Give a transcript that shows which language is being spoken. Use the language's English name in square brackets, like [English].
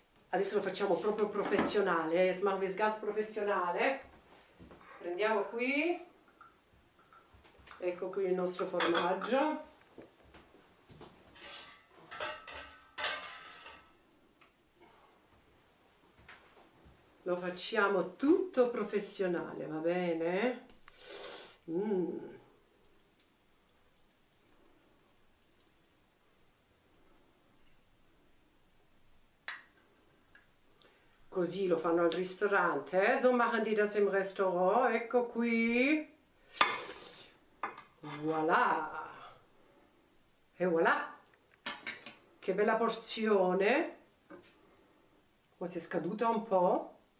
[Italian] Adesso lo facciamo proprio professionale. [German] Jetzt machen wir es ganz professionale. [Italian] Prendiamo qui. Ecco qui il nostro formaggio. Lo facciamo tutto professionale, va bene? Mm. Così lo fanno al ristorante, eh? [German] So machen die das im Restaurant. [Italian] Ecco qui. Voilà. E voilà. Che bella porzione. Oh, si è scaduta un po'.